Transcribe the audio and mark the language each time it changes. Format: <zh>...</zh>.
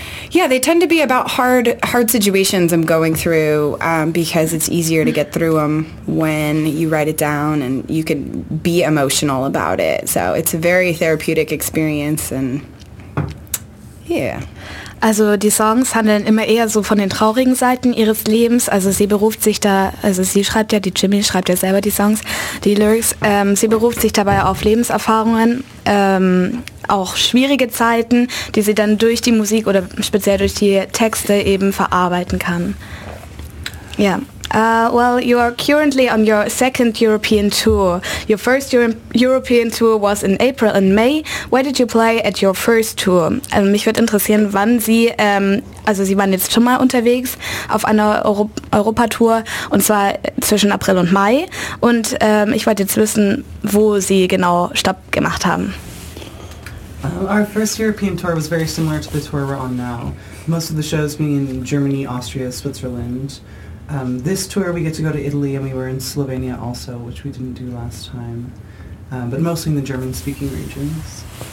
<en>Yeah, they tend to be about hard situations I'm going through, because it's easier to get through them when you write it down and you can be emotional about it. So it's a very therapeutic experience and yeah.</en> <de>Also die Songs handeln immer eher so von den traurigen Seiten ihres Lebens. Also sie beruft sich da, also sie schreibt ja, die Jimmy schreibt ja selber die Songs, die Lyrics. Sie beruft sich dabei auf Lebenserfahrungen, auch schwierige Zeiten, die sie dann durch die Musik oder speziell durch die Texte eben verarbeiten kann. Ja.</de> <en>Well, you are currently on your second European tour. Your first European tour was in April and May. Where did you play at your first tour?</en> <de>Also mich würde interessieren, wann Sie, also Sie waren jetzt schon mal unterwegs auf einer Europa-Tour, und zwar zwischen April und Mai. Und ich wollte jetzt wissen, wo Sie genau Stopp gemacht haben.</de> <en>Our first European tour was very similar to the tour we're on now. Most of the shows being in Germany, Austria, Switzerland. This tour, we get to go to Italy, and we were in Slovenia also, which we didn't do last time, but mostly in the German-speaking regions.</en>